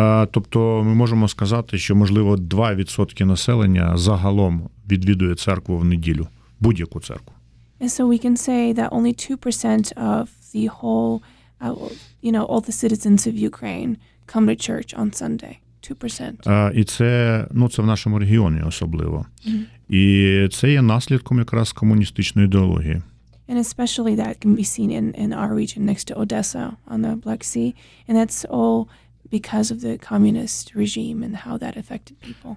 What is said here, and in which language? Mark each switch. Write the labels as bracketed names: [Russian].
[Ukrainian] Тобто ми можемо сказати, що, можливо, 2% населення загалом відвідує церкву в неділю, будь-яку церкву. [English] And so we can say that only 2% of the whole, you know, all the citizens of Ukraine come to church on Sunday. 2%. [Ukrainian] І це, ну, це в нашому регіоні особливо. Mm-hmm. І це є наслідком якраз комуністичної ідеології. [English] And especially that can be seen in our region next to Odessa on the Black Sea. And that's all because of the communist regime and how that affected people.